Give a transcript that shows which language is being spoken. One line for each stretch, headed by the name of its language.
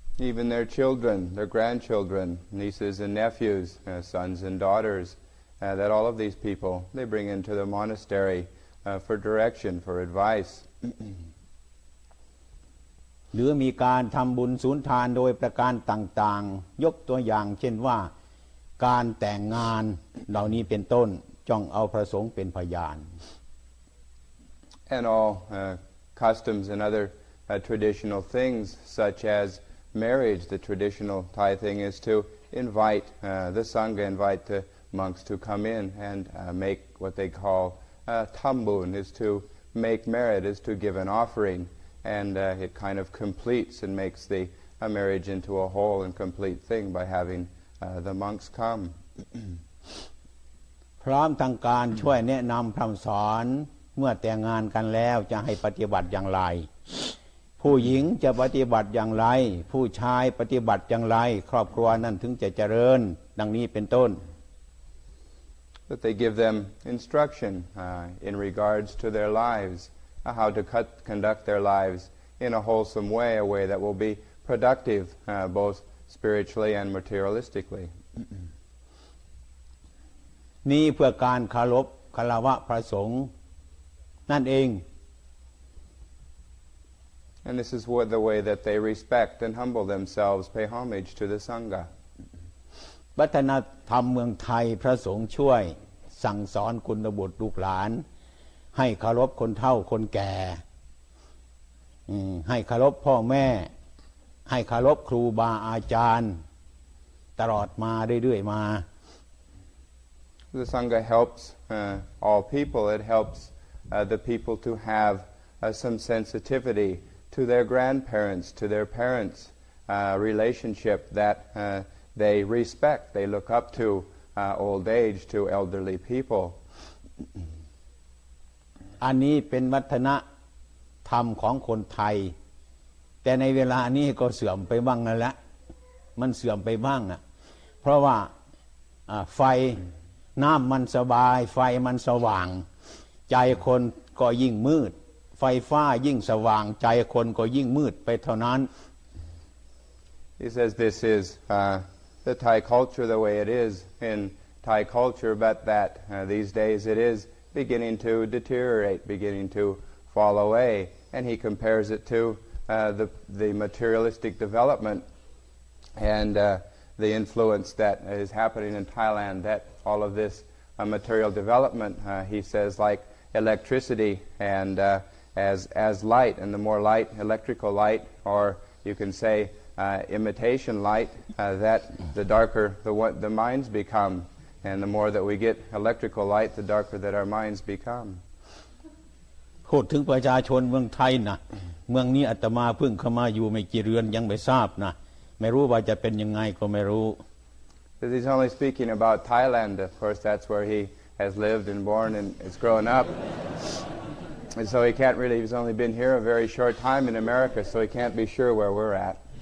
English: Even their children, their grandchildren, nieces and nephews, sons and daughters, that all of these people they bring into the monastery for direction, for advice.
Thai: หรือมีการทำบุญสุนทานโดยประการต่างๆยกตัวอย่างเช่นว่าการแต่งงานเหล่านี้เป็นต้นจ้องเอาพระสงฆ์เป็นพยาน
English: And all customs and other traditional things such as marriage the traditional Thai thing is to invite the Sangha invite the monks to come in and make what they call thambun is to make merit is to give an offering and it kind of completes and makes the marriage into a whole and complete thing by having the monks come
Thai: พร้อมทางการช่วยแนะนำพร้อมสอนเมื่อแต่งงานกันแล้วจะให้ปฏิบัติอย่างไรผู้หญิงจะปฏิบัติอย่างไรผู้ชายปฏิบัติอย่างไรครอบครัวนั้นถึงจะเจริญดังนี้เป็นต้น
English: that they give them instruction in regards to their lives, how to conduct their lives in a wholesome way, a way that will be productive both spiritually and materialistically.
Thai: นี่เพื่อการคารวะคารวะพระสงฆ์นั่นเอง
English: And this is what the way that they respect and humble themselves, pay homage to the Sangha.
Thai: วัฒนธรรมเมืองไทยพระสงฆ์ช่วยสั่งสอนคุณบุตรลูกหลานให้คารวะคนเฒ่าคนแก่ให้คารวะพ่อแม่ให้คารวะครูบาอาจารย์ตลอดมาเรื่อยๆมา
English: The Sangha helps all people. It helps the people to have some sensitivity to their grandparents, to their parents, relationship that they respect. They look up to old age, to elderly people.
Thai: อันนี้เป็นวัฒนธรรมของคนไทยแต่ในเวลานี้ก็เสื่อมไปบ้างแล้วมันเสื่อมไปบ้างอ่ะเพราะว่าไฟน้ำมันสบายไฟมันสว่างใจคนก็ยิ่งมืดไฟฟ้ายิ่งสว่างใจคนก็ยิ่งมืดไปเท่านั้น
English: He says this is the Thai culture the way it is in Thai culture but that these days it is beginning to deteriorate beginning to fall away and he compares it to the materialistic development andThe influence that is happening in Thailand, that all of this material development, he says, like electricity and as light, and the more light, electrical light, or you can say imitation light, that the darker the minds become, and the more that we get electrical light, the darker that our minds become.
Thai: พูดถึงประชาชนเมืองไทยนะเมืองนี้อาตมาเพิ่งเข้ามาอยู่ไม่กี่เรือนยังไม่ทราบนะไม่รู้ว่าจะเป็นยังไงก็ไม่รู้
English: This is only speaking about Thailand of course that's where he has lived and born and is grown up and so he can't really he's only been here a very short time in America so he can't be sure where we're at